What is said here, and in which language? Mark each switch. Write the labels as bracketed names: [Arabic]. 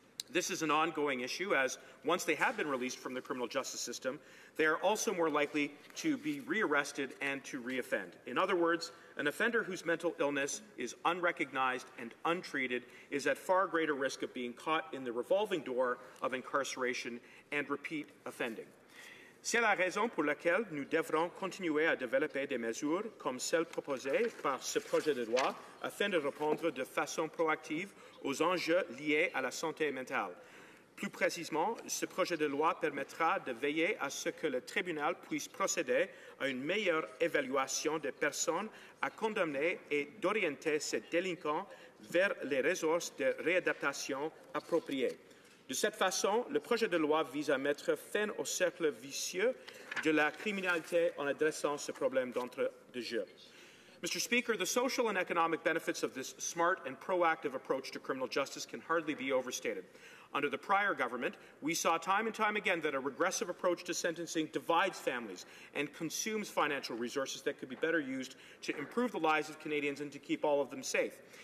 [English] This is an ongoing issue, as once they have been released from the criminal justice system, they are also more likely to be rearrested and to reoffend. In other words, an offender whose mental illness is unrecognized and untreated is at far greater risk of being caught in the revolving door of incarceration and repeat offending. [French] C'est la raison pour laquelle nous devrons continuer à développer des mesures comme celles proposées par ce projet de loi afin de répondre de façon proactive aux enjeux liés à la santé mentale. Plus précisément, ce projet de loi permettra de veiller à ce que le tribunal puisse procéder à une meilleure évaluation des personnes à condamner et d'orienter ces délinquants vers les ressources de réadaptation appropriées. De cette façon, le projet de loi vise à mettre fin au cercle vicieux de la criminalité en adressant ce problème d'entrée de jeu. [English] Mr. Speaker, the social and economic benefits of this smart and proactive approach to criminal justice can hardly be overstated. Under the prior government, we saw time and time again that a regressive approach to sentencing divides families and consumes financial resources that could be better used to improve the lives of Canadians and to keep all of them safe.